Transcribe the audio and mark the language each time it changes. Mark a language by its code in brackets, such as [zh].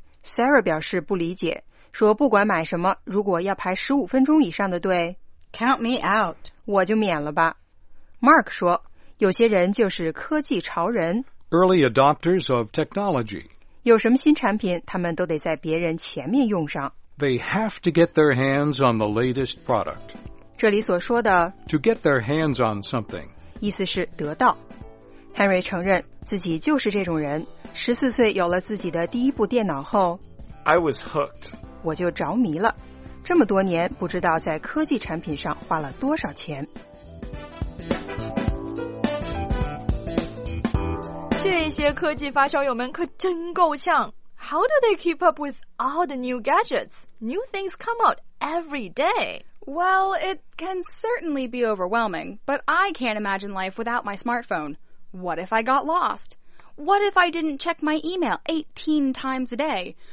[zh] Sarah 表示不理解，说不管买什么，如果要排15分钟以上的队 [en] ,Count me out, [zh] 我就免了吧。Mark 说有些人就是科技潮人 [en] ,Early adopters of technology, [zh] 有什么新产品他们都得在别人前面用上。 [en] They have to get their hands on the latest product. [zh] 这里所说的 [en] to get their hands on something, [zh] 意思是得到。Henry 承认自己就是这种人。 14岁有了自己的第一部电脑后 [en] I was hooked. [zh] 我就着迷了。这么多年不知道在科技产品上花了多少钱。这些科技发烧友们可真够呛。 [en] How do they keep up with all the new gadgets? New things come out every day. Well, it can certainly be overwhelming, but I can't imagine life without my smartphone. What if I got lost? What if I didn't check my email 18 times a day?